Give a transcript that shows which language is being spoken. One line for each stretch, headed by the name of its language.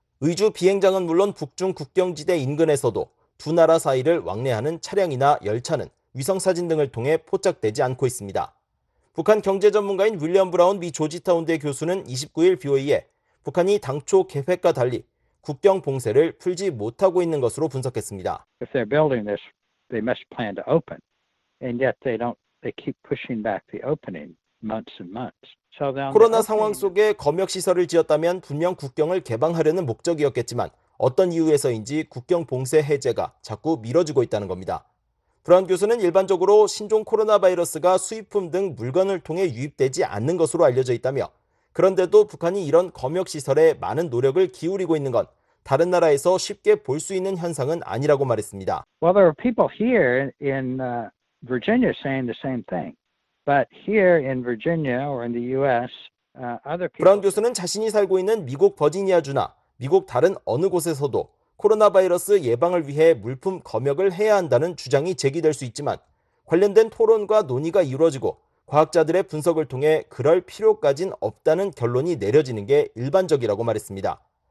Korean: 의주 비행장은 물론 북중 국경지대 인근에서도 두 나라 사이를 왕래하는 차량이나 열차는 위성사진 등을 통해 포착되지 않고 있습니다. 북한 경제 전문가인 윌리엄 브라운 미 조지타운대 교수는 29일 BOA에 북한이 당초 계획과 달리 국경 봉쇄를 풀지 못하고 있는 것으로 분석했습니다.
English: If they're building this, they must plan to open. And yet they keep pushing back the opening months and months.
Korean: 코로나 상황 속에 검역시설을 지었다면 분명 국경을 개방하려는 목적이었겠지만 어떤 이유에서인지 국경 봉쇄 해제가 자꾸 미뤄지고 있다는 겁니다. 브라운 교수는 일반적으로 신종 코로나 바이러스가 수입품 등 물건을 통해 유입되지 않는 것으로 알려져 있다며 그런데도 북한이 이런 검역시설에 많은 노력을 기울이고 있는 건 다른 나라에서 쉽게 볼 수 있는 현상은 아니라고 말했습니다.
English: Well, there are people here in Virginia saying the same thing. But here in Virginia or in the U.S., other people.
Korean: 브라운 교수는 자신이 살고 있는 미국 버지니아주나 미국 다른 어느 곳에서도 코로나 바이러스 예방을 위해 물품 검역을 해야 한다는 주장이 제기될 수 있지만 관련된 토론과 논의가 이루어지고 과학자들의 분석을 통해 그럴 필요까진 없다는 결론이 내려지는 게 일반적이라고 말했습니다.